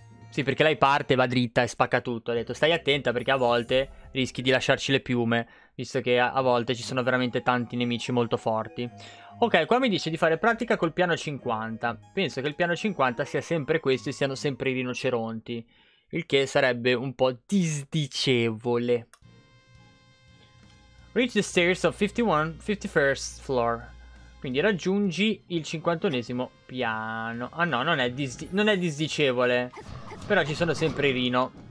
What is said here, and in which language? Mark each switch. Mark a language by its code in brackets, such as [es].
[it] Sì, perché lei parte, va dritta e spacca tutto. Ha detto, stai attenta perché a volte rischi di lasciarci le piume, visto che a volte ci sono veramente tanti nemici molto forti. Ok, qua mi dice di fare pratica col piano 50. Penso che il piano 50 sia sempre questo e siano sempre i rinoceronti. Il che sarebbe un po' disdicevole. [en] Reach the stairs of 51st floor. [it] Quindi raggiungi il 51esimo piano. Ah no, non è disdicevole. Però ci sono sempre i rino.